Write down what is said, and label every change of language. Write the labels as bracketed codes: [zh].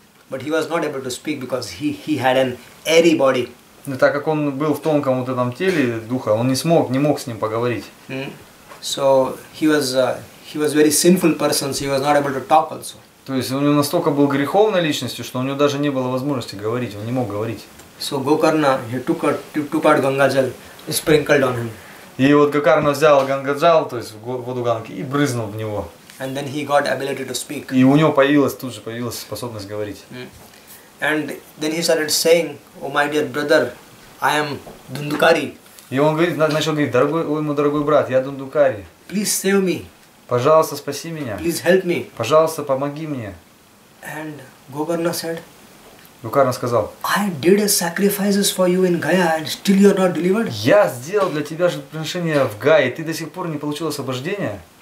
[en] But he was not able to speak because he had an airy body. [ru] Так как он был в тонком вот этом теле духа, он не мог с ним поговорить. [en] So he was very sinful person, so he was not able to talk also. [ru] То есть он настолько был греховной личностью, что у него даже не было возможности говорить, он не мог говорить. [en] So Gokarna, he took out Gangajal, sprinkled on him. [ru] И вот Гокарна взял Гангаджал, то есть воду Ганги, и брызнул в него. [en] And then he got ability to speak. [ru] И у него появилась, тут же появилась способность говорить. [en] And then he started saying, "Oh my dear brother, I am Dundukari." [ru] И он говорит, начал говорить, дорогой, ой, мой дорогой брат, я Дундукари. [en] Please save me. [ru] Пожалуйста, спаси меня. [en] Please help me. [ru] Пожалуйста, помоги мне. [en] And Gokarna said. [ru] Гокарна сказал. [en] I did sacrifices for you in Gaya, and still you are not delivered. [ru] Я сделал для тебя жертвоприношение в Гае, ты до сих пор не получил освобождение.